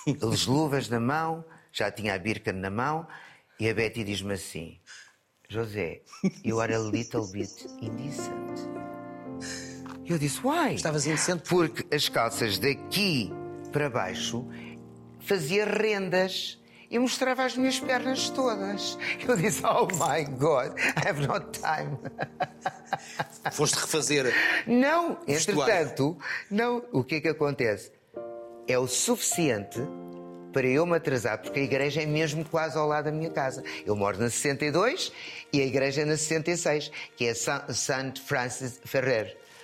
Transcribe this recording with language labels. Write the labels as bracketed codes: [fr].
[pt] As luvas na mão, já tinha a birca na mão, e a Betty diz-me assim: José, [en] you are a little bit indecent. [pt] Eu disse: [en] why? [pt] Estavas indecente? Porque as calças daqui para baixo fazia rendas e mostrava as minhas pernas todas. Eu disse, [en] oh my God, I have no time. [pt] Foste refazer. Não, entretanto, não, o que é que acontece? É o suficiente para eu me atrasar, porque a igreja é mesmo quase ao lado da minha casa. Eu moro na 62 e a igreja é na 66, que é Santo Francis Ferrer.